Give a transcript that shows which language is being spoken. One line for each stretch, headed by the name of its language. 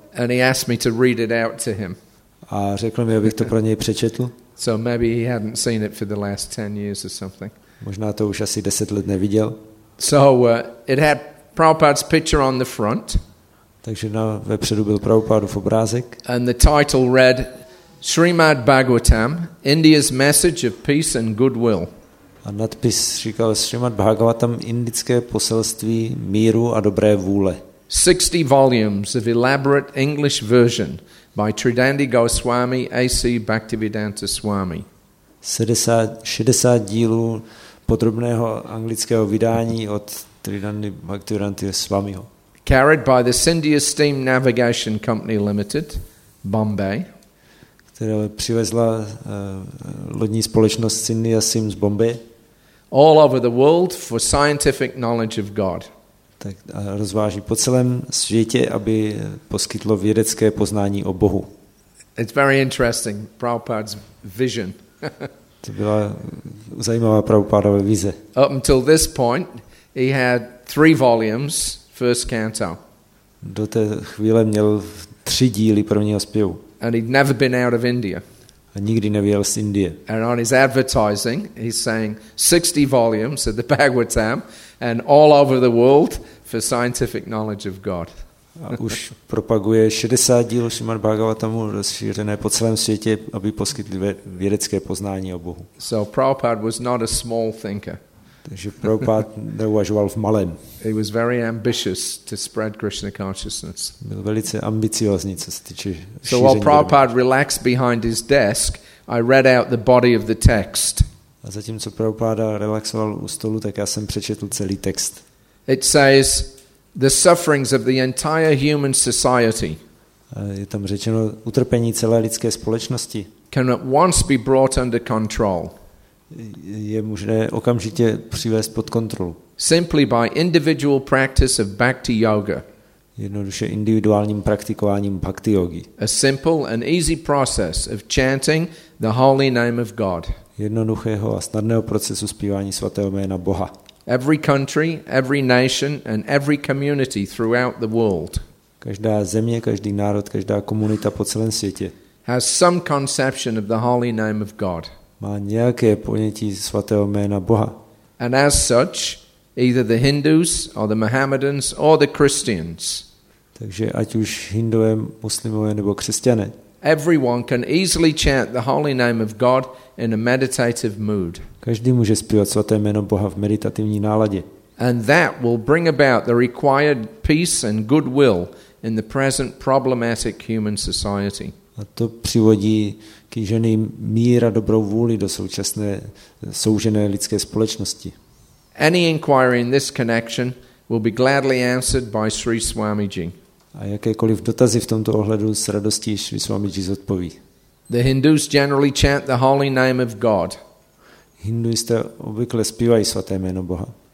English: And he asked me to read it out to him.
Czech: A řekl mi, abych to pro něj přečetl.
English: So maybe he hadn't seen it for the last 10 years or something.
Czech: Možná to už asi 10 let neviděl.
English: So it had Prabhupada's picture on the front.
Czech: Takže na vepředu byl Prabhupádův obrázek.
English: And the title read Srimad Bhagavatam, India's message of peace and goodwill.
Czech: A nadpis říkal Srimad Bhagavatam, indické poselství míru a dobré vůle.
English: 60 volumes of elaborate English version by Tridandi Goswami, A.C. Bhaktivedanta Swami.
Czech: 60 dílů podrobného anglického vydání od Tridandi Bhaktivedanta Swamiho.
English: Carried by the Sindhya Steam Navigation Company Limited, Bombay.
Czech: Která přivezla lodní společnost Sindhya Steam z Bombay.
English: All over the world for scientific knowledge of God.
Czech: Tak rozváží po celém světě, aby poskytlo vědecké poznání o Bohu.
English: It's very interesting, Prabhupada's vision.
Czech: To byla zajímavá Prabhupádova vize.
English: Up until this point, he had 3 volumes. First canto.
Czech: Do té chvíle měl 3 díly prvního zpěvu.
English: And he'd never been out of India.
Czech: A nikdy nevyjel z Indie.
English: And on his advertising, he's saying 60 volumes of the Bhagavatam and all over the world for scientific knowledge of God.
Czech: A už propaguje 60 díl Srimad Bhagavatamu rozšířené po celém světě, aby poskytli vědecké poznání o Bohu.
English: So Prabhupada was not a small thinker.
Czech: Takže Prabhupada neuvažoval v malém.
English: He was very ambitious to spread Krishna consciousness.
Czech: Byl velice ambiciózní, co se týče šíření.
English: So while Prabhupada relaxed behind his desk, I read out the body of the text.
Czech: A zatímco Prabhupada relaxoval u stolu, tak já jsem přečetl celý text.
English: It says the sufferings of the entire human society.
Czech: Je tam řečeno utrpení celé lidské společnosti.
English: Can at once be brought under control.
Czech: Je možné okamžitě přivést pod kontrolu.
English: Simply by individual practice of bhakti yoga.
Czech: Jednoduše individuálním praktikováním bhakti yogi.
English: A simple and easy process of chanting the holy name of God.
Czech: Jednoduchého a snadného procesu zpívání svatého jména Boha.
English: Every country, every nation and every community throughout the world.
Czech: Každá země, každý národ, každá komunita po celém světě.
English: Has some conception of the holy name of God.
Czech: Má nějaké ponětí svatého jména Boha.
English: And as such, either the Hindus or the Mohammedans or the Christians.
Czech: Takže ať už Hindové, Muslimové nebo křesťané.
English: Everyone can easily chant the holy name of God in a meditative mood.
Czech: Každý může zpívat svaté jméno Boha v meditativní náladě.
English: And that will bring about the required peace and goodwill in the present problematic human society.
Czech: A to přivodí kýžený mír a dobrou vůli do současné soužené lidské společnosti.
English: Any inquiry in this connection will be gladly answered by Sri Swamiji.
Czech: A jakékoliv dotazy v tomto ohledu s radostí Sri Swamiji zodpoví.
English: The Hindus generally chant the holy name of God.
Czech: Hinduisté obvykle zpívají svaté jméno Boha.